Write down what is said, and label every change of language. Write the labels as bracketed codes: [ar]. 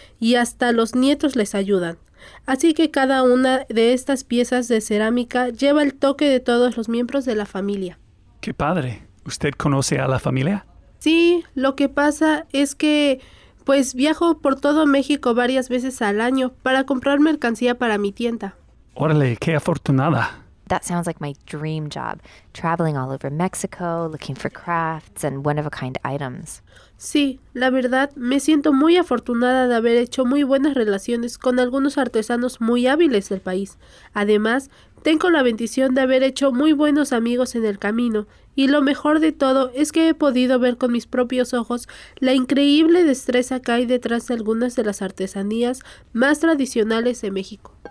[es] Y hasta los nietos les ayudan. Así que cada una de estas piezas de cerámica lleva el toque de todos los miembros de la familia. ¡Qué padre! ¿Usted conoce a la familia? Sí, lo que pasa es que, pues, viajo por todo México varias veces al año para comprar mercancía para mi tienda. ¡Órale, qué afortunada! [en] That sounds like my dream job, traveling all over Mexico, looking for crafts and one-of-a-kind items. [es] Sí, la verdad, me siento muy afortunada de haber hecho muy buenas relaciones con algunos artesanos muy hábiles del país. Además, tengo la bendición de haber hecho muy buenos amigos en el camino, y lo mejor de todo es que he podido ver con mis propios ojos la increíble destreza que hay detrás de algunas de las artesanías más tradicionales de México.